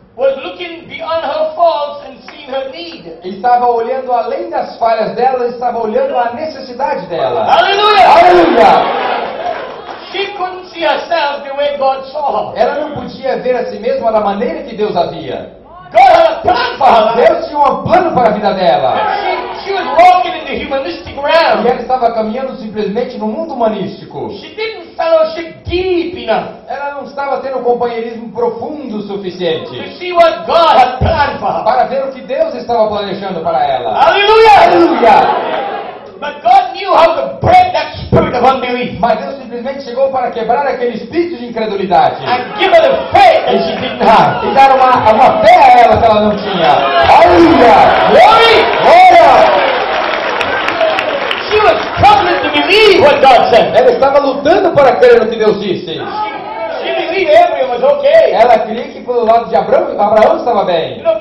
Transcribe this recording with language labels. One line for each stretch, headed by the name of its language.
English: was looking beyond her faults and seeing her need.
Portuguese: Estava olhando além das falhas dela, estava olhando a necessidade dela. Aleluia!
English: She couldn't see herself the way God saw her.
Portuguese: Ela não podia ver a si mesma da maneira que Deus a via.
English: God had a plan for her.
Portuguese: Deus tinha um plano para a vida dela.
English: She was walking in the humanistic realm.
Portuguese: E ela estava caminhando simplesmente no mundo humanístico.
English: She didn't fellowship deep enough.
Portuguese: Ela não estava tendo um companheirismo profundo o suficiente.
English: To see what God had planned for her.
Portuguese: Para ver o que Deus estava planejando para ela. Aleluia! Aleluia!
English: But God knew how to break that spirit of unbelief.
Portuguese: Mas Deus simplesmente chegou para quebrar aquele espírito de incredulidade.
English: And give her the faith that she didn't have.
Portuguese: E dar uma fé a ela que ela não tinha. Aleluia!
English: Glory!
Portuguese: Glória!
English: She was struggling to believe what God said.
Portuguese: Ela estava lutando para crer no que Deus disse. Ela queria que pelo lado de Abraão estava bem.